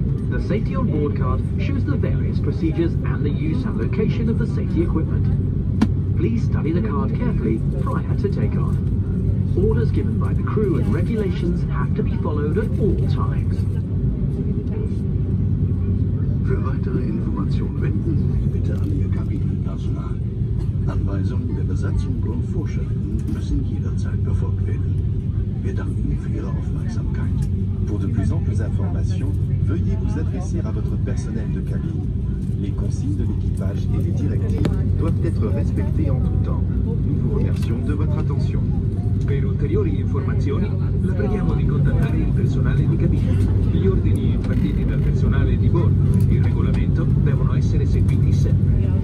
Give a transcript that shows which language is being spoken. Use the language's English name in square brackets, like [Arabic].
[English] The safety on board card shows the various procedures and the use and location of the safety equipment. Please study the card carefully prior to takeoff. Orders given by the crew and regulations have to be followed at all times. [German] Für weitere Informationen wenden Sie sich bitte an Ihr Kabinenpersonal. Anweisungen der Besatzung und Vorschriften müssen jederzeit befolgt werden. Wir danken Ihnen für Ihre Aufmerksamkeit. [French] Pour de plus amples informations, veuillez vous adresser à votre personnel de cabine. Les consignes de l'équipage et les directives doivent être respectées en tout temps. Nous vous remercions de votre attention. [Italian] Per ulteriori informazioni, la preghiamo di contattare il personale di cabina. Gli ordini impartiti dal personale di bordo e il regolamento devono essere seguiti sempre.